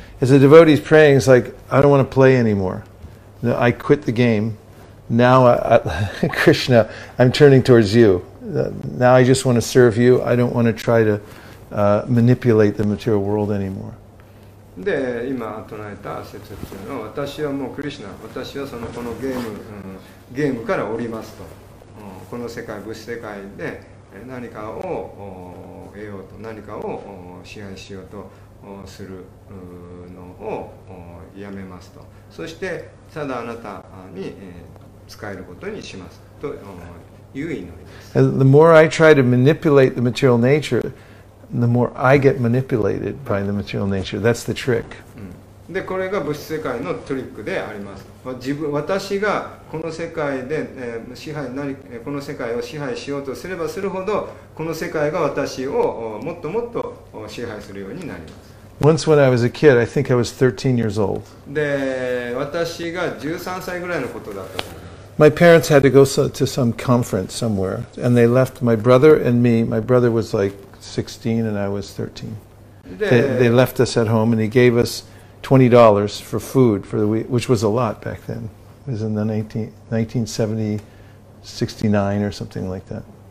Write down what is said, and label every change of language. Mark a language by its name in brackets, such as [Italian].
[English] As a devotee is praying, it's like, I don't want to play anymore. No, I quit the game. Now, Krishna, I'm turning towards you. Now I just want to serve you. I don't want to try to manipulate the material world anymore. [Japanese] で今唱えた説っていうのは、私はもうクリシナ、私はそのこのゲーム、ゲームから降りますと、この世界、物世界で何かを得ようと、何かを支配しようとするのをやめますと、そしてただあなたに使えることにしますという祈りです。 [English] The more I try to manipulate the material nature,the more I get manipulated by the material nature. That's the trick. [Japanese] で、これが物質世界のトリックであります。自分、私がこの世界で、支配、この世界を支配しようとすればするほど、この世界が私をもっともっと支配するようになります。 [English] Once when I was a kid, I think I was 13 years old. [Japanese] で、私が13歳ぐらいのことだったと思います。 [English] My parents had to go to some conference somewhere, and they left my brother and me. My brother was like 16 and I was 13. They left us at home and he gave us $20 for food for the week, which was a lot back then. It was in the 1969 or something like that.